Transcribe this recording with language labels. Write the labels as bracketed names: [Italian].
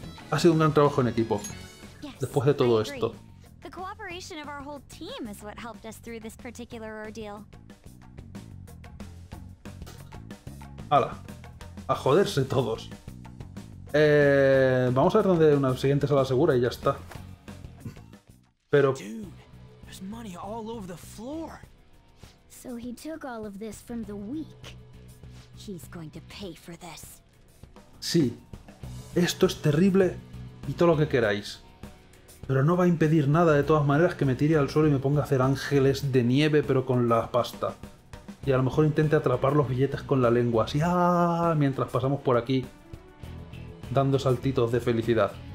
[Spanish] Ha sido un gran trabajo en equipo. Después de todo esto. La cooperación de nuestro equipo es lo que nos ayudó a pasar por este ordeal particular. ¡Hala! A joderse todos. Vamos a ver dónde hay una siguiente sala segura y ya está. Pero. [English] Money all over the floor. So he took all of this from the weak. He's going to pay for this. [Spanish] Sí, esto es terrible y todo lo que queráis. Pero no va a impedir nada de todas maneras que me tire al suelo y me ponga a hacer ángeles de nieve pero con la pasta. Y a lo mejor intente atrapar los billetes con la lengua así, mientras pasamos por aquí dando saltitos de felicidad.